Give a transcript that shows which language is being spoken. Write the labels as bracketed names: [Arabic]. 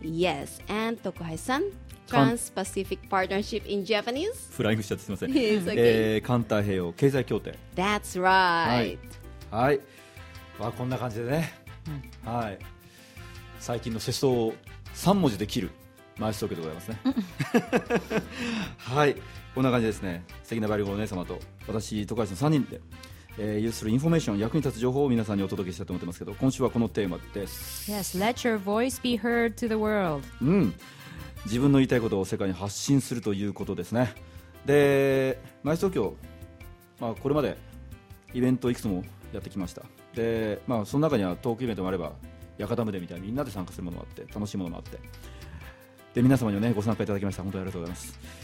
[English] Yes, and Tokuhai-san, Trans-Pacific Partnership in Japanese. [Japanese] フライングしちゃってすみません。 [English] It's okay. [Japanese] 環太平洋経済協定。 [English] That's right. [Japanese] はい。はい、こんな感じでね。はい。最近の世相を3文字で切る。マイストーケでございますね。はい。こんな感じですね。素敵なバイリンガルお姉様と私、徳橋の3人で。ユースルインフォメーション、役に立つ情報を皆さんにお届けしたいと思ってますけど、今週はこのテーマです。 [English] Yes, let your voice be heard to the world、 [Japanese] 自分の言いたいことを世界に発信するということですね。で、マイス東京、まあ、これまでイベントいくつもやってきました。で、まあ、その中にはトークイベントもあれば屋形船みたいにみんなで参加するものもあって、楽しいものもあって、で、皆様にはね、ご参加いただきました。本当にありがとうございます。